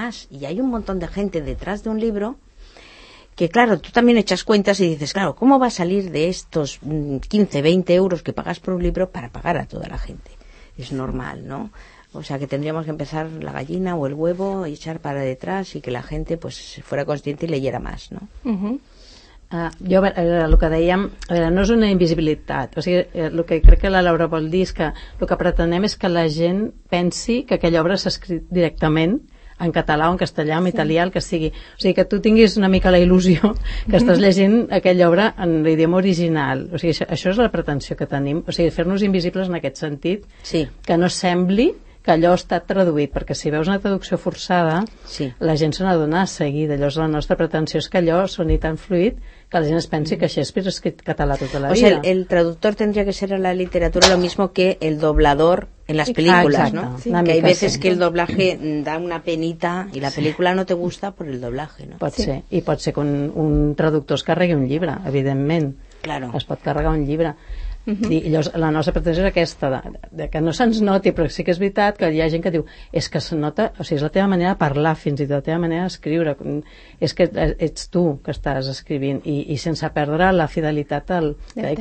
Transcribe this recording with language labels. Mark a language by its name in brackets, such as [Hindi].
[Spanish] Y hay un montón de gente detrás de un libro que, claro, tú también echas cuentas y dices, claro, ¿cómo va a salir de estos 15, 20 euros que pagas por un libro para pagar a toda la gente? Es normal, ¿no? O sea, que tendríamos que empezar la gallina o el huevo y echar para detrás y que la gente pues fuera consciente y leyera más, ¿no? Uh-huh. [Catalan] Jo, el que dèiem, no és una invisibilitat. O sigui, el que crec que la Laura vol dir és que el que pretenem és que la gent pensi que aquella obra s'ha escrit directament en català o en castellà o en sí. italià, el que sigui. O sigui, que tu tinguis una mica la il·lusió que estàs llegint aquella obra en l'idioma original. O sigui, això és la pretensió que tenim. O sigui, fer-nos invisibles en aquest sentit, sí. que no sembli que allò està traduït, perquè si veus una traducció forçada, sí. la gent se n'adona a seguida. Llavors la nostra pretensió és que allò soni tan fluid que la gent es pensi que Shakespeare ha escrit català tota la [Spanish] vida. O sea, el traductor tendría que ser a la literatura lo mismo que el doblador en las películas, ¿no? Sí. Que hay veces que el doblaje da una penita y la película no te gusta por el doblaje, ¿no? [Catalan] Pot ser, i pot ser que un traductor es carregui un llibre, evidentment. [Spanish] Claro. [Catalan] Es pot carregar un llibre. Uh-huh. I llavors, la nostra pretensió és aquesta, de que no se'ns noti, però sí que és veritat que hi ha gent que diu, és que se nota, o sigui, és la teva manera de parlar, fins i tot la teva manera d'escriure, és que ets tu que estàs escrivint, i sense perdre la fidelitat al text.